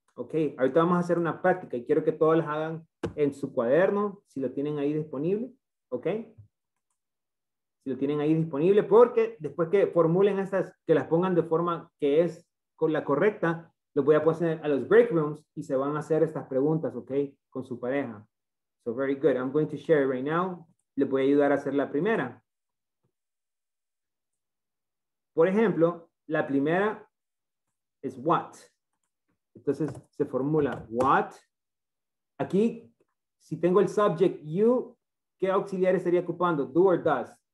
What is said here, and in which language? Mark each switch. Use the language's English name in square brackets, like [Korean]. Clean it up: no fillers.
[Spanish] Ok, ahorita vamos a hacer una práctica y quiero que todos las hagan en su cuaderno, si lo tienen ahí disponible, ok. Si lo tienen ahí disponible, porque después que formulen estas, que las pongan de forma que es con la correcta, los voy a poner a los break rooms y se van a hacer estas preguntas, ok, con su pareja. [English] So very good, I'm going to share it right now. [Spanish] Les voy a ayudar a hacer la primera. Por ejemplo, la primera es what. Entonces se formula what. Aquí, si tengo el subject you, ¿qué auxiliar estaría ocupando? [English] Do or does?